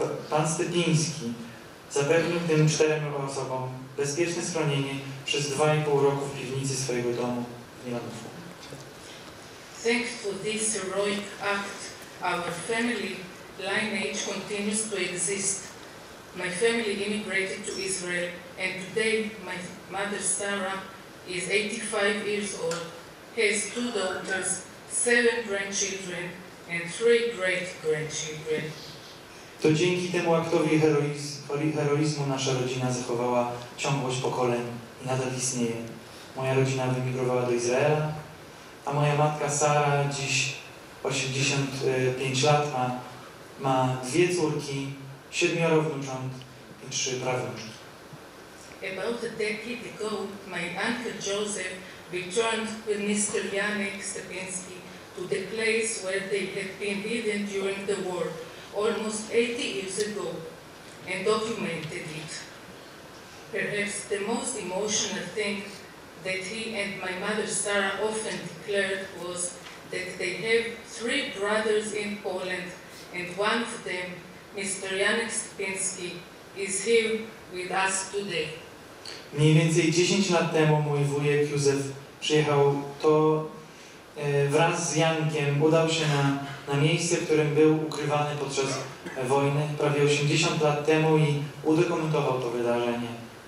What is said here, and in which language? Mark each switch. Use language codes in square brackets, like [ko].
[pl] Pan Stępiński zapewnił tym czterem osobom bezpieczne schronienie przez 2.5 roku w piwnicy swojego domu w Milanówku. [en] Thanks to this heroic act, our family lineage continues to exist. My family immigrated to Israel, and today my mother Sarah is 85 years old, has 2 daughters, 7 grandchildren, and 3 great-grandchildren. [pl] To dzięki temu aktowi heroizmu nasza rodzina zachowała ciągłość pokoleń i nadal istnieje. Moja rodzina wyemigrowała do Izraela, a moja matka Sara, dziś 85 lat, ma 2 córki, 7 wnucząt i 3 prawnuczki. [en] About a decade ago, my uncle Joseph returned with Mr. Janek Stępiński to the place where they had been hidden during the war almost 80 years ago and documented it. Perhaps the most emotional thing that he and my mother Sarah often declared was that they have 3 brothers in Poland, and one of them, Mr. Janek Stępiński, is here with us today. [pl] Mniej więcej 10 lat temu mój wujek Józef przyjechał to wraz z Jankiem, udał się na miejsce, w którym był ukrywany podczas wojny prawie 80 lat temu i udokumentował to wydarzenie.